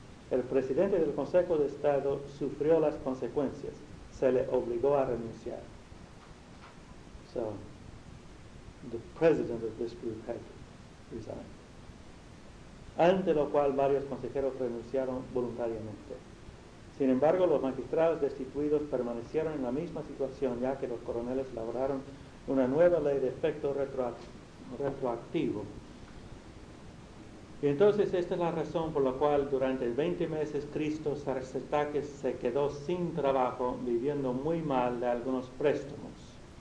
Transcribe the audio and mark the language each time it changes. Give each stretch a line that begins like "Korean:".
Spanish: El presidente del Consejo de Estado sufrió las consecuencias. Se le obligó a renunciar.
English: So, the president of this group had resigned.
Spanish: Ante lo cual varios consejeros renunciaron voluntariamente. Sin embargo, los magistrados destituidos permanecieron en la misma situación, ya que los coroneles elaboraron una nueva ley de efecto retroactivo. Y entonces esta es la razón por la cual durante 20 meses Cristo Sarsetakis se quedó sin trabajo, viviendo muy mal de algunos préstamos.